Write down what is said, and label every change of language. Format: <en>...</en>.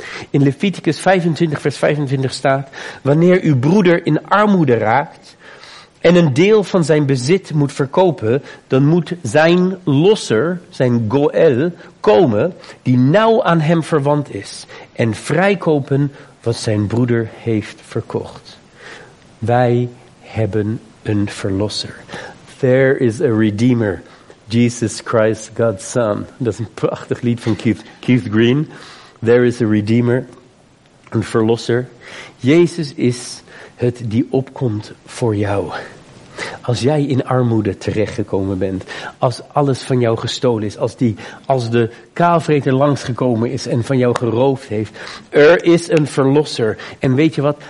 <nl>In Leviticus 25 vers 25 staat, wanneer uw broeder in armoede raakt en een deel van zijn bezit moet verkopen, dan moet zijn losser, zijn goel, komen die nauw aan hem verwant is en vrijkopen wat zijn broeder heeft verkocht. Wij hebben een verlosser.</nl> <en>There is a redeemer, Jesus Christ, God's Son.</en> <nl>Dat is een prachtig lied van Keith Green.</nl> <en>There is a redeemer,</en> <nl>een verlosser. Jezus is het die opkomt voor jou. Als jij in armoede terechtgekomen bent, als alles van jou gestolen is, als de kaalvreter langsgekomen is en van jou geroofd heeft, er is een verlosser. En weet je wat?</nl>